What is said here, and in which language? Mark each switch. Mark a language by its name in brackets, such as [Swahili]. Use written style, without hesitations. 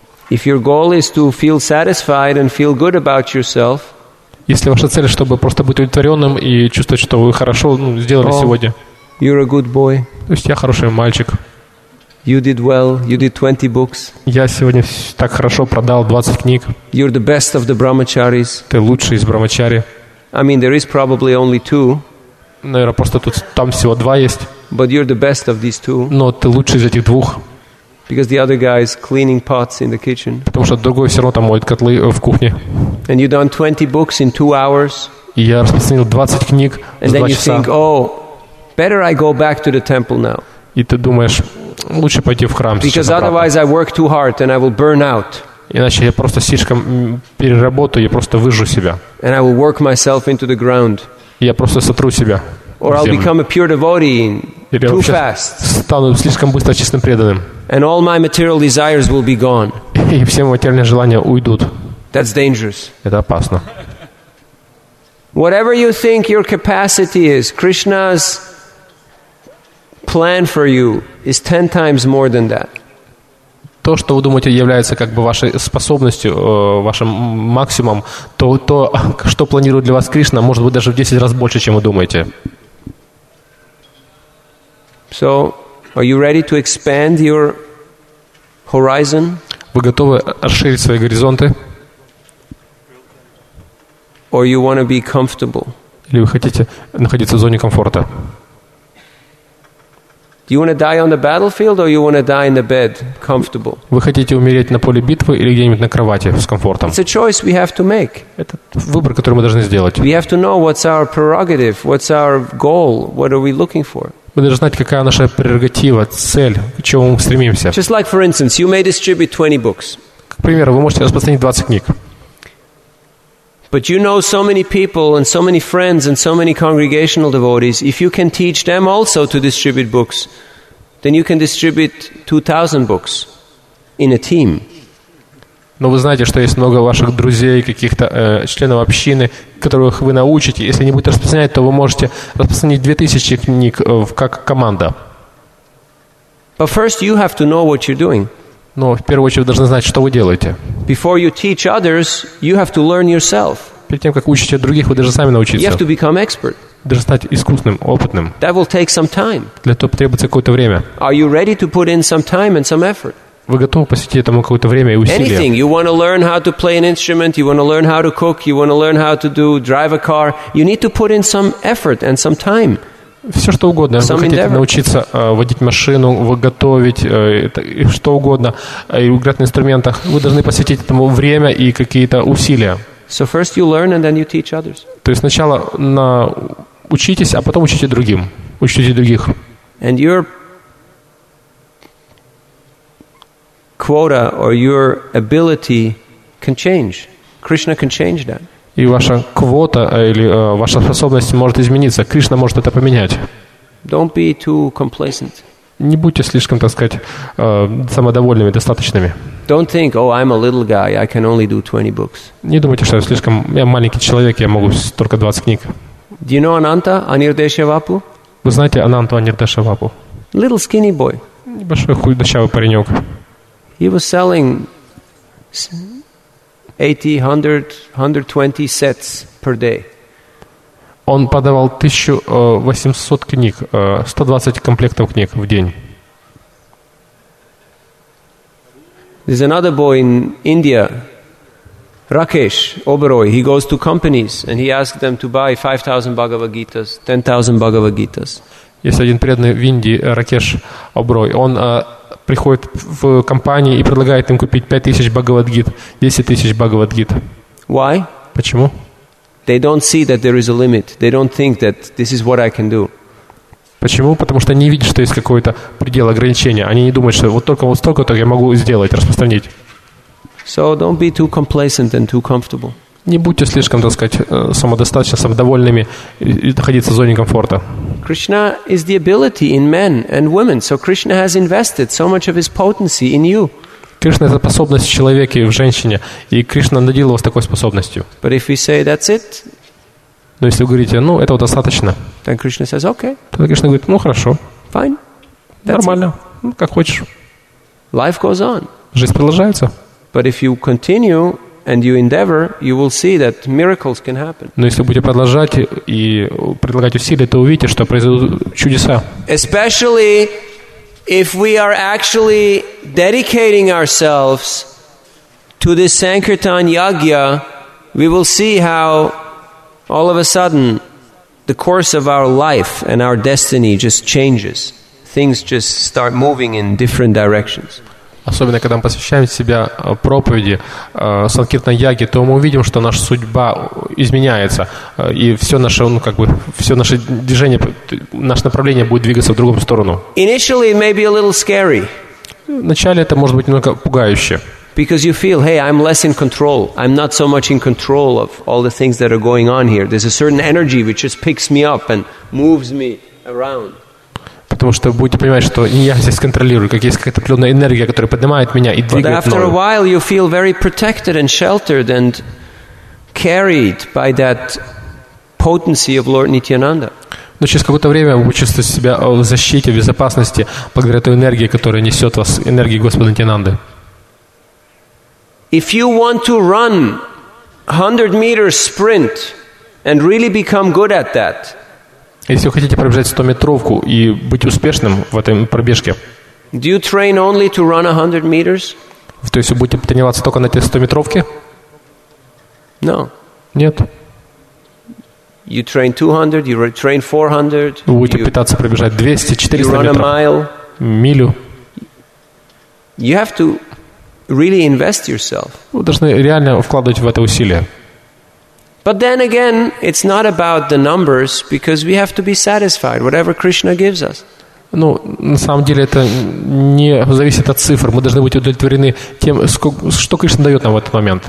[English] If your goal is to feel satisfied and feel good about yourself. [Russian] Если ваша цель, чтобы просто быть удовлетворенным и чувствовать, что вы хорошо сделали сегодня. [English] You're a good boy. [Russian] То есть я хороший мальчик. [English] You did well. You did 20 books. [Russian] Я сегодня так хорошо продал 20 книг. [English] You're the best of the brahmacharis. [Russian] Ты лучший из брахмачари. [English] I mean, there is probably only two. [Russian] Наверное, просто тут там всего два есть. [English] But you're the best of these two. [Russian] Но ты лучший из этих двух. [English] Because the other guy is cleaning pots in the kitchen. [Russian] Потому что другой все равно там моет котлы в кухне. [English] And you done 20 books in 2 hours. [Russian] И я распространил 20 книг за 2 часа. [English] And then you think, oh. Better I go back to the temple now. [Russian] И ты думаешь, лучше пойти в храм. [English] Because otherwise I work too hard and I will burn out. [Russian] Иначе я просто слишком переработаю, я просто выжжу себя. [English] And I will work myself into the ground. [Russian] Я просто сотру себя. [English] Or I'll become a pure devotee too fast. [Russian] Стану слишком быстро чистым преданным. [English] And all my material desires will be gone. [Russian] И все мои материальные желания уйдут. [English] That's dangerous. [Russian] Это опасно. [English] Whatever you think your capacity is, Krishna's plan for you is 10 times more than that. [Russian] То, что вы думаете, является как бы вашей способностью, вашим максимумом, то, что планирует для вас Кришна, может быть даже в 10 раз больше, чем вы думаете. [English] So, are you ready to expand your horizon? [Russian] Вы готовы расширить свои горизонты? [English] Or you want to be comfortable? [Russian] Или вы хотите находиться в зоне комфорта? [English] Do you want to die on the battlefield or you want to die in the bed, comfortable? [Russian] Вы хотите умереть на поле битвы или где-нибудь на кровати с комфортом? [English] It's a choice we have to make. [Russian] Это выбор, который мы должны сделать. [English] We have to know what's our prerogative, what's our goal, what are we looking for? [Russian] Мы должны знать, какая наша прерогатива, цель, к чему мы стремимся. [English] Just like for instance, you may distribute 20 books. [Russian] К примеру, вы можете распространить 20 книг. [English] But you know so many people and so many friends and so many congregational devotees, if you can teach them also to distribute books, then you can distribute 2,000 books in a team. [Russian] Но вы знаете, что есть много ваших друзей, каких-то членов общины, которых вы научите. Если они будут распространять, то вы можете распространить 2,000 книг как команда. [English] But first you have to know what you're doing. [Russian] Но в первую очередь вы должны знать, что вы делаете. [English] Before you teach others, you have to learn yourself. [Russian] Перед тем, как учите других, вы должны сами научиться. [English] You have to become expert. [Russian] Должны стать искусным, опытным. [English] That will take some time. [Russian] Для этого потребуется какое-то время. [English] Are you ready to put in some time and some effort? [Russian] Вы готовы посвятить этому какое-то время и усилия? [English] Anything. You want to learn how to play an instrument, you want to learn how to cook, you want to learn how to drive a car. You need to put in some effort and some time. [Russian] Все, что угодно. [English] Some [Russian] вы хотите [English] endeavor. [Russian] Научиться водить машину, готовить, что угодно, и играть на инструментах. Вы должны посвятить этому время и какие-то усилия. So first you learn and then you teach others. То есть сначала учитесь, а потом учите другим. Учите других. [English] And your quota or your ability can change. Krishna can change that. [Russian] И ваша квота или ваша способность может измениться. Кришна может это поменять. [English] Don't be too complacent. [Russian] Не будьте слишком, так сказать, самодовольными, достаточными. [English] Don't think, oh, I'm a little guy, I can only do 20 books. [Russian] Не думайте, что я маленький человек, я могу только 20 книг. [English] Do you know Ananta Anirdeshavapu? [Russian] Вы знаете Ананту Анирдешавапу? [English] Little skinny boy. [Russian] Небольшой худощавый паренек. [English] He was selling 80, 100, 120 sets per day. [Russian] Он продавал 1800 книг, 120 комплектов книг в день. [English] There's another boy in India, Rakesh Oberoi. He goes to companies and he asks them to buy 5,000 Bhagavad Gitas, 10,000 Bhagavad Gitas. [Russian] Есть один преданный в Индии, Ракеш Оброй. Он приходит в компанию и предлагает им купить 5,000 Бхагавад Гит, 10,000 Бхагавад Гит. [English] Why? [Russian] Почему? [English] They don't see that there is a limit. They don't think that this is what I can do. [Russian] Почему? Потому что они видят, что есть какой-то предел ограничения. Они не думают, что вот только вот столько, то я могу сделать, распространить. [English] So don't be too complacent and too comfortable. [Russian] Не будьте слишком, так сказать, самодостаточно, самодовольными и находиться в зоне комфорта. [English] Krishna is the ability in men and women, so Krishna has invested so much of his potency in you. [Russian] Кришна — это способность в человеке и в женщине, и Кришна наделил вас такой способностью. [English] But if you say that's it, [Russian] но если вы говорите, ну, этого достаточно, [English] then Krishna says, okay. [Russian] Тогда Кришна говорит, ну, хорошо. [English] Fine. [Russian] Нормально. Ну, как хочешь. [English] Life goes on. [Russian] Жизнь продолжается. [English] But if you continue and you endeavor, you will see that miracles can happen. [Russian] Но если будете продолжать и предлагать усилия, то увидите, что произойдут чудеса. [English] Especially if we are actually dedicating ourselves to this Sankirtan Yagya, we will see how all of a sudden the course of our life and our destiny just changes. Things just start moving in different directions. [Russian] Особенно, когда мы посвящаем себя проповеди Санкиртан-Яги, то мы увидим, что наша судьба изменяется, и все наше, ну, как бы, все наше движение, наше направление будет двигаться в другую сторону. [English] Initially, it may be a little scary. [Russian] Вначале это может быть немного пугающе. [English] Because you feel, hey, I'm less in control. I'm not so much in control of all the things that are going on here. There's a certain energy which just picks me up and moves me around. [Russian] Потому что будете понимать, что не я здесь контролирую, как есть какая-то определенная энергия, которая поднимает меня и двигает. [English] But after [Russian] мною. [English] A while, you feel very protected and sheltered and carried by that potency of Lord Nityananda. [Russian] Но через какое-то время вы чувствуете себя в защите, в безопасности благодаря той энергии, которая несет вас, энергии Господа Нитьянанды. [English] If you want to run 100-meter sprint and really become good at that. [Russian] Если вы хотите пробежать 100-метровку и быть успешным в этой пробежке, [English] do you train only to run 100 meters? [Russian] То есть вы будете тренироваться только на этой 100-метровке? [English] No. [Russian] Нет. [English] You train 200, you train 400. [Russian] Вы будете пытаться пробежать 200, 400 метров. [English] You run a mile. [Russian] Милю. [English] You have to really invest yourself. [Russian] Вы должны реально вкладывать в это усилия. [English] But then again, it's not about the numbers because we have to be satisfied whatever Krishna gives us. [Russian] Ну, на самом деле это не зависит от цифр. Мы должны быть удовлетворены тем, что Кришна дает нам в этот момент.